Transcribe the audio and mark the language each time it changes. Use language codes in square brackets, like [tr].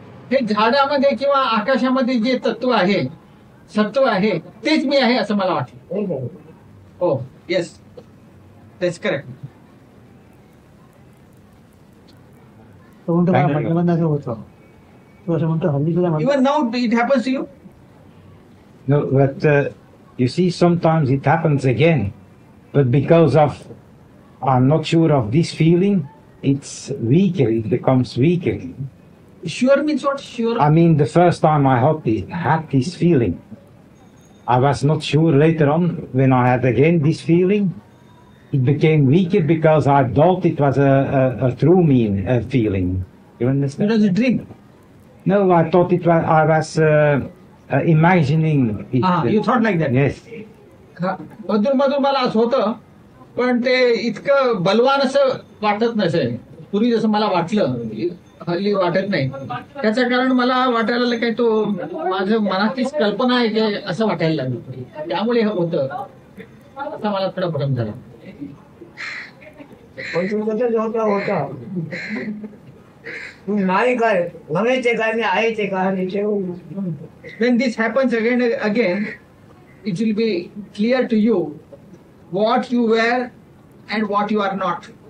[mr] हे झाडामध्ये किंवा आकाशामध्ये जे तत्व आहे, सत्व आहे, तेच मी आहे असं मला वाटलं. हो, येस, तेच करेक्ट. तो म्हणतो होतो, तू असं म्हणतो हल्ली तुला [en] Even now it happens you know but you see sometimes it happens again but because of I'm not sure of this feeling, it's weaker, it becomes weaker. Sure means what? Sure? I mean, the first time I had this feeling, I was not sure later on, when I had again this feeling, it became weaker because I thought it was a true mean a feeling. You understand? It was a dream. No, I thought it was, I was imagining it. You thought like that? Yes. [mr] पण ते इतकं बलवान असं वाटत नसे. पूर्वी जसं मला वाटलं, हल्ली वाटत नाही. त्याचं कारण मला वाटायला लागलं काय तो माझ्या मनातलीच कल्पना आहे की असं वाटायला लागलं, त्यामुळे हे होतं असं मला थोडं भ्रम झाला. [en] When this happens again and again, it will be clear to you what you were and what you are not.